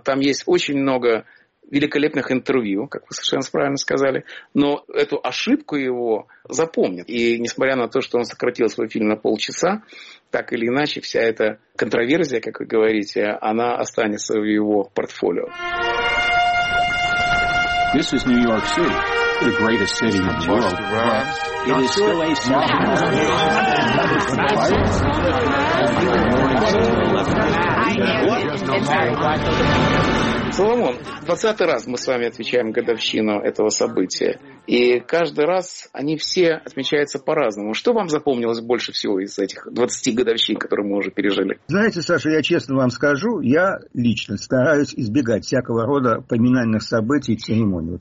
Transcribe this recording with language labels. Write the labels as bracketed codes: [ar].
[ru] Там есть очень много великолепных интервью, как вы совершенно правильно сказали, но эту ошибку его запомнят. И несмотря на то, что он сократил свой фильм на полчаса, так или иначе, вся эта контроверсия, как вы говорите, она останется в его портфолио. [en] This is New York City, the greatest city in the world. It is still a small city. It's [ru] Соломон, 20-й раз мы с вами отмечаем годовщину этого события. И каждый раз они все отмечаются по-разному. Что вам запомнилось больше всего из этих 20 годовщин, которые мы уже пережили? Знаете, Саша, я честно вам скажу, я лично стараюсь избегать всякого рода поминальных событий и церемоний.